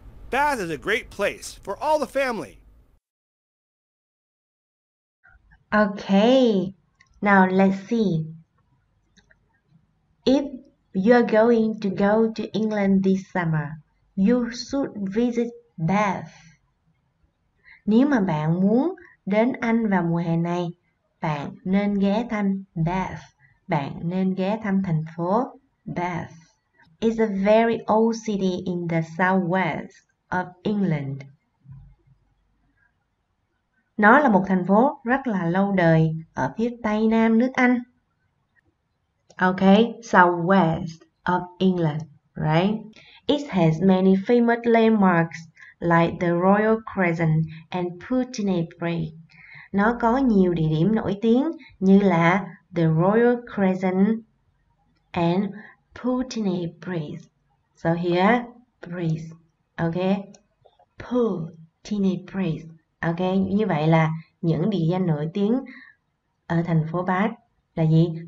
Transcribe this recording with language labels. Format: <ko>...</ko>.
<en>Bath is a great place for all the family. Okay, now let's see. If you're going to go to England this summer, you should visit Bath.</en> <vi>Nếu mà bạn muốn đến Anh vào mùa hè này, bạn nên ghé thăm Bath. Bạn nên ghé thăm thành phố Bath.</vi> <en>It's a very old city in the southwest of England.</en> <vi>Nó là một thành phố rất là lâu đời ở phía tây nam nước Anh.</vi> <en>Okay, southwest of England, right? It has many famous landmarks like the Royal Crescent and Putney Bridge.</en> <vi>Nó có nhiều địa điểm nổi tiếng như là the Royal Crescent and Putney Bridge.</vi> <en>So here, bridge, okay? Putney Bridge.</en> <vi>Okay, như vậy là những địa danh nổi tiếng ở thành phố Bath là gì?</vi>